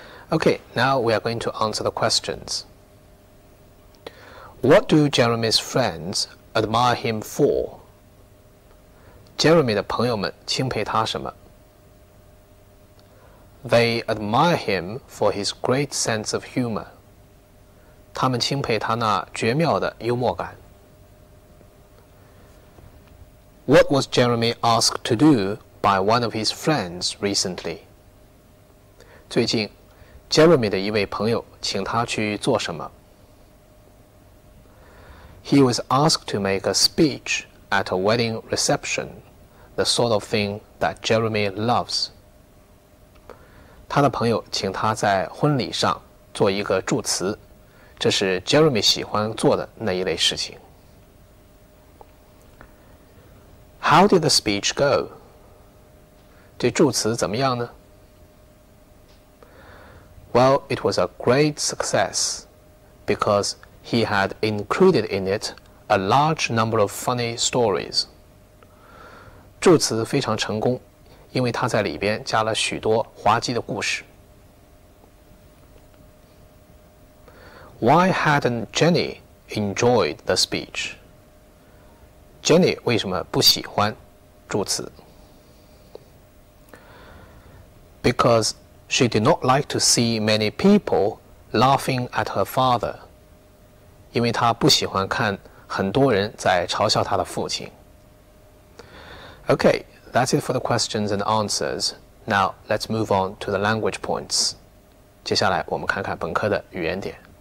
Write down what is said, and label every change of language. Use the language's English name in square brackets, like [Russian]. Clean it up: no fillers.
[English] Okay, now we are going to answer the questions. What do Jeremy's friends admire him for? [Chinese] Jeremy 的朋友们钦佩他什么? [English] They admire him for his great sense of humor. [Chinese] 他们钦佩他那绝妙的幽默感。 [English] What was Jeremy asked to do by one of his friends recently? [Chinese] 最近 ,Jeremy 的一位朋友请他去做什么? [English] He was asked to make a speech at a wedding reception, the sort of thing that Jeremy loves. [Chinese] 他的朋友请他在婚礼上做一个祝词，这是 Jeremy 喜欢做的那一类事情。 [English] How did the speech go? [Chinese] 这祝词怎么样呢? [English] Well, it was a great success because he had included in it a large number of funny stories. [Chinese] 祝词非常成功。因为他在里边加了许多滑稽的故事。 [English] Why hadn't Jenny enjoyed the speech. Jenny [Chinese] 为什么不喜欢助词 [English] Because she did not like to see many people laughing at her father. [Chinese] 因为她不喜欢看很多人在嘲笑她的父亲。 [English] Okay, that's it for the questions and answers. Now, let's move on to the language points. [Chinese] 接下来我们看看本科的语言点。